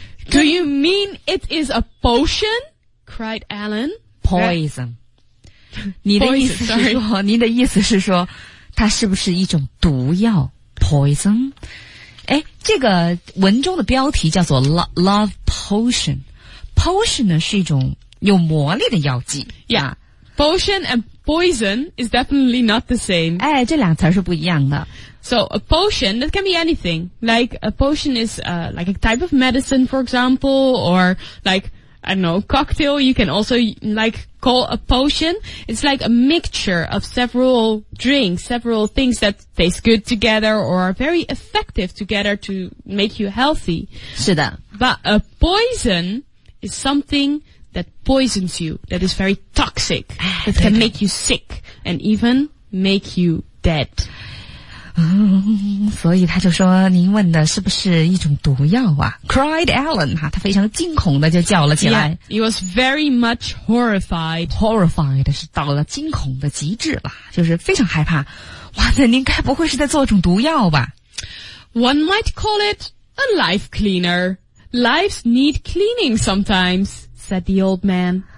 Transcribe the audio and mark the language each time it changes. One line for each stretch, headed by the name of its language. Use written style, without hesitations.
English: Do you mean it is a potion? cried Alan.
Chinese: Poison. 你的意思是说
English: poison,
Chinese: 你的意思是说它是不是一种毒药？Poison. 诶，这个文中的标题叫做 Love Potion. Potion 呢是一种有魔力的药剂。
English: Yeah, potion and poison is definitely not the same.
Chinese: 哎，这两词是不一样的。
English: So a potion, that can be anything. Like a potion is like a type of medicine, for example. Or like, I don't know, cocktail. You can also like call a potion. It's like a mixture of several drinks, several things that taste good together or are very effective together to make you healthy.
Chinese: 是的。
English: But a poison is something that poisons you, that is very toxic, that can make you sick, and even make you dead.
Chinese: 所以他就说您问的是不是一种毒药啊
English: Cried Alan
Chinese: 他非常惊恐的就叫了起来
English: yeah, He was very much horrified
Chinese: Horrified 是到了惊恐的极致了就是非常害怕 哇那您该不会是在做种毒药吧
English: One might call it a life cleaner Lives need cleaning sometimes Said the old man